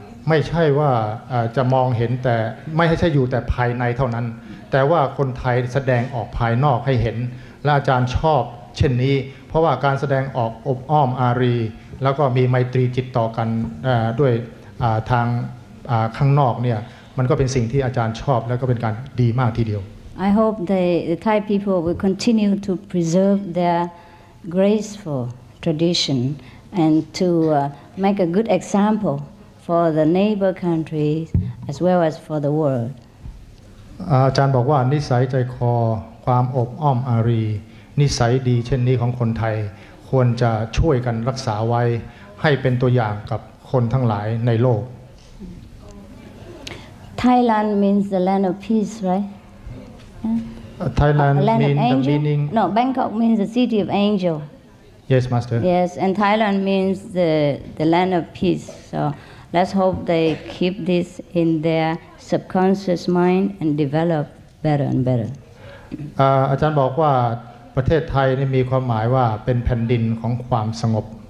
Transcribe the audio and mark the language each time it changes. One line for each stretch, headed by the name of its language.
Thai: ม่ใช่ว่าจะมองเห็นแต่ไม่ใช่อยู่แต่ภายในเท่านั้นแต่ว่าคนไทยแสดงออกภายนอกให้เห็นและอาจารย์ชอบเช่นนี้เพราะว่าการแสดงออกอบอ้อมอารีแล้วก็มีไมตรีจิตต่อกันด้วยทางข้างนอกเนี่ยมันก็เป็นสิ่งที่อาจารย์ชอบแล้วก็เป็นการดีมากทีเดียว
English: I hope the Thai people will continue to preserve their graceful tradition and to make a good example for the neighbor countries as well as for the world
Thai: อาจารย์บอกว่านิสัยใจคอความอบอ้อมอารีนิสัยดีเช่นนี้ของคนไทยควรจะช่วยกันรักษาไว้ให้เป็นตัวอย่างกับคนทั้งหลายในโลก
English: Thailand means the land of peace, right? Thailand means the meaning... No, Bangkok means the city of angel. Yes, Master. Yes, and Thailand means the land of peace. So let's hope they keep this in their subconscious mind and develop better and better.
Thai: อาจารย์บอกว่าประเทศไทยนี่มีความหมายว่าเป็นแผ่นดินของความสงบ